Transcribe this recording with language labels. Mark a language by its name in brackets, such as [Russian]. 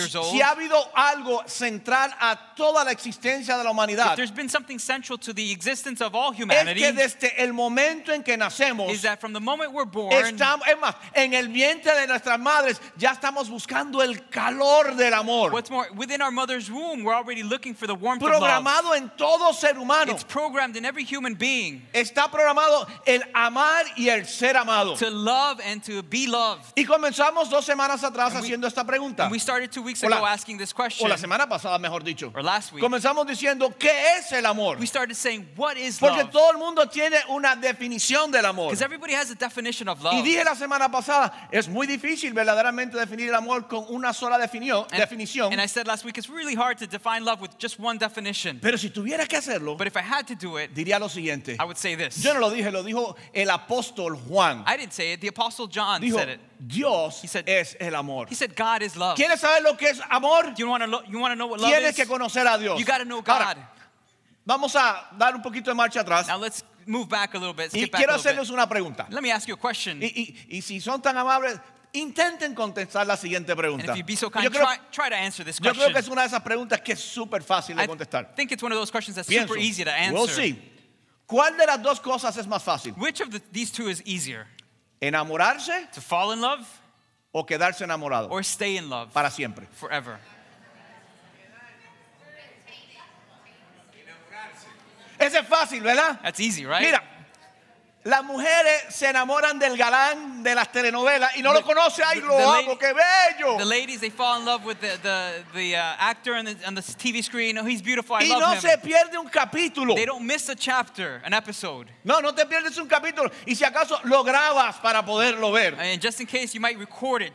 [Spanish] Si ha habido algo central a toda la existencia de la humanidad, [English] if there's been something central to the existence of all humanity, [Spanish] es que desde el momento en que nacemos, [English] is that from the moment we're born, [Spanish] estamos, es más, en el vientre de nuestras madres ya estamos buscando el calor del amor. [English] What's more, within our mother's womb, we're already looking for the warmth of love. [Spanish] Programado en todo ser humano. [English] It's programmed in every human being. [Spanish] Está programado el amar y el ser amado. [English] To love and to be loved. [Spanish] Y comenzamos dos semanas atrás haciendo esta pregunta. [English] And we started 2 weeks ago asking this question. [Spanish] O la semana pasada, mejor dicho. [English] Or last week. [Spanish] Comenzamos diciendo, ¿qué es el amor? [English] We started saying, what is love? [Spanish] Porque todo el mundo tiene una definición del amor. [English] Because everybody has a definition of love. [Spanish] Y dije la semana pasada, es muy difícil verdaderamente definir el amor con una sola definición. [English] And I said last week, it's really hard to define love with just one definition. [Spanish] Pero si tuviera que hacerlo, [English] but if I had to do it, [Spanish] diría lo siguiente. [English] I would say this. [Spanish] Yo no lo dije, lo dijo el apóstol Juan. [English] I didn't say it, the apostle John [Spanish] dijo, [English] said it. [Spanish] Dios [English] he said, [Spanish] es el amor. [English] He said, God is love. ¿Quieres saber lo que es amor? You want to know what [Spanish] tienes [English] love is? [Spanish] Que conocer a Dios. [English] You got to know God. [Spanish] Ahora, vamos a dar un poquito de marcha atrás. [English] Now let's move back a little bit. [Spanish] Y quiero hacerles una pregunta. [English] Let me ask you a question. [Spanish] Y si son tan amables, intenten contestar la siguiente pregunta. [English] And if you'd be so kind, try to answer this question. [Spanish] Yo creo que es una de esas preguntas que es súper fácil de contestar. [English] I think it's one of those questions that's super easy to answer. We'll see. [Spanish] ¿Cuál de las dos cosas es más fácil? [English] Which of these two is easier? [Spanish] ¿Enamorarse? [English] To fall in love? [Spanish] ¿O quedarse enamorado? [English] Or stay in love? [Spanish] Para siempre. [English] Forever. [Spanish] Enamorarse. Ese es fácil, ¿verdad? [English] That's easy, right? [Spanish] Mira. Las mujeres se enamoran del galán de las telenovelas y no lo conoce, ay, lo amo, qué bello. [English] The ladies, they fall in love with the actor on the TV screen. Oh, he's beautiful, I love him. [Spanish] Y no se pierde un capítulo. [English] They don't miss a chapter, an episode. [Spanish] No te pierdes un capítulo. Y si acaso lo grabas para poderlo ver. [English] And just in case, you might record it.